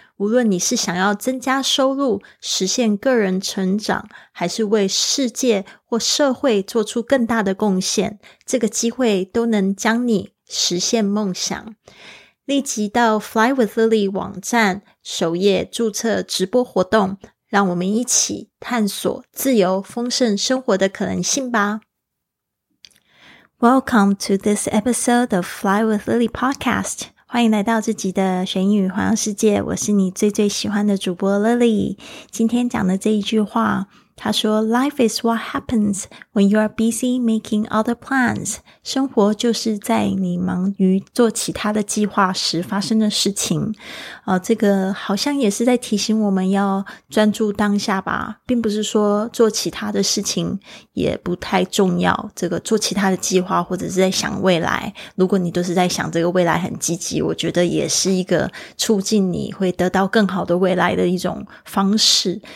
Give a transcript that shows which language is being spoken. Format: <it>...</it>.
<zh>无论你是想要增加收入，实现个人成长，还是为世界或社会做出更大的贡献，这个机会都能将你实现梦想。立即到 Fly with Lily 网站首页注册直播活动，让我们一起探索自由丰盛生活的可能性吧。</zh> <en>Welcome to this episode of Fly with Lily podcast.</en> <zh>欢迎来到这集的学英语环游世界，我是你最最喜欢的主播 Lily。今天讲的这一句话，他说</zh> <en>Life is what happens when you are busy making other plans.</en> <zh>生活就是在你忙于做其他的计划时发生的事情。这个好像也是在提醒我们要专注当下吧，并不是说做其他的事情也不太重要，这个做其他的计划或者是在想未来，如果你都是在想这个未来很积极，我觉得也是一个促进你会得到更好的未来的一种方式。</zh>